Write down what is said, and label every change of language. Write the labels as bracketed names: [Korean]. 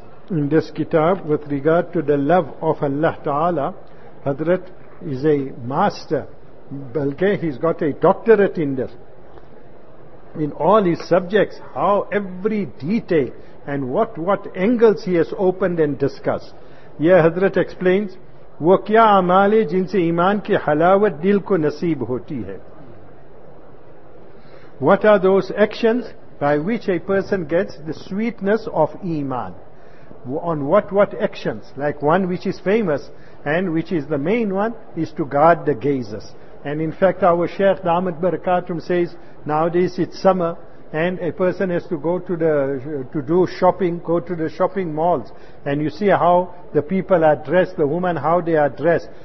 [English] In this kitab, with regard to the love of Allah Ta'ala, Hadrat is a master. Balkay, he's got a doctorate in this. In all his subjects, how every detail and what angles he has opened and discussed. Yeah, Hadrat explains, [Urdu] وہ کیا عمال ہے جن سے ایمان کی حلاوت دل کو نصیب ہوتی ہے. [English] What are those actions by which a person gets the sweetness of iman? on what actions, like one which is famous and which is the main one, is to guard the gazes. And in fact, our Shaykh Damat Barakatum says, nowadays it's summer, and a person has to go to the shopping malls, and you see how the people are dressed, the women, how they are dressed.